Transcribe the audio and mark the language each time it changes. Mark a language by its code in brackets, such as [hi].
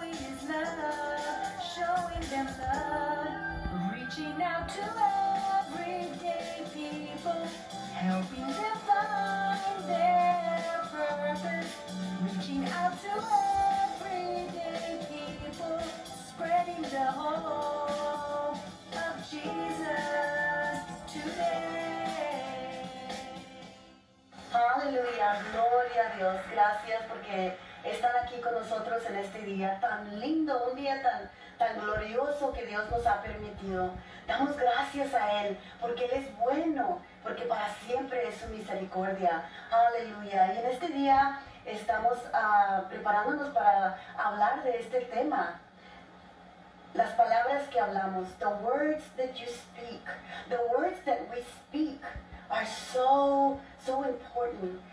[en] them love, reaching out to everyday people, helping them find their purpose, reaching out to everyday people, spreading the hope of Jesus today. Hallelujah, glory [es] a Dios, gracias porque están aquí con nosotros en este día tan lindo, un día tan glorioso que Dios nos ha permitido. Damos gracias a Él, porque Él es bueno, porque para siempre es su misericordia. Aleluya. Y en este día estamos preparándonos para hablar de este tema. Las palabras que hablamos. [en] The words that you speak. The words that we speak are so, so important.